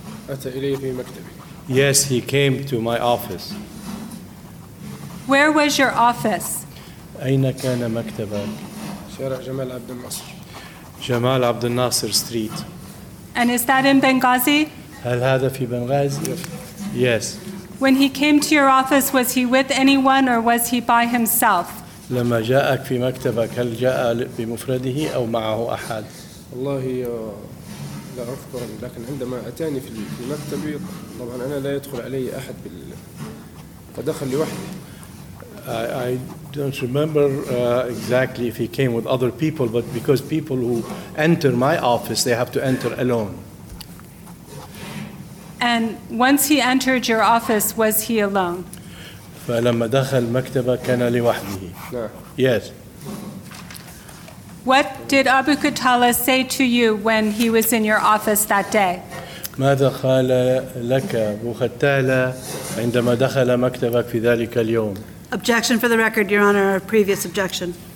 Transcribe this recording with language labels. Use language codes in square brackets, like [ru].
[ar] أتى إلي في مكتبي. [en] Yes, he came to my office. Where was your office? [ar] أين كان مكتبك؟ شارع جمال عبد الناصر. [en] جمال عبد الناصر Street. And is that in Benghazi? [ar] هل هذا في بنغازي؟ [en] Yes. Yes. When he came to your office, was he with anyone or was he by himself? [ar] لما جاءك في مكتبك هل جاء بمفرده أو معه أحد؟ والله لا أذكر لكن عندما أتاني في مكتبي طبعا أنا لا يدخل علي أحد فدخل لوحده. [en] I don't remember exactly if he came with other people, but because people who enter my office they have to enter alone. And once he entered your office, was he alone? [ar] فلما دخل مكتبه كان لوحده. [en] Yes. What did Abu Qatala say to you when he was in your office that day? [ar] ماذا قال لك أبو قتالة عندما دخل مكتبك في ذلك اليوم? [en] Objection for the record, Your Honor, our previous objection.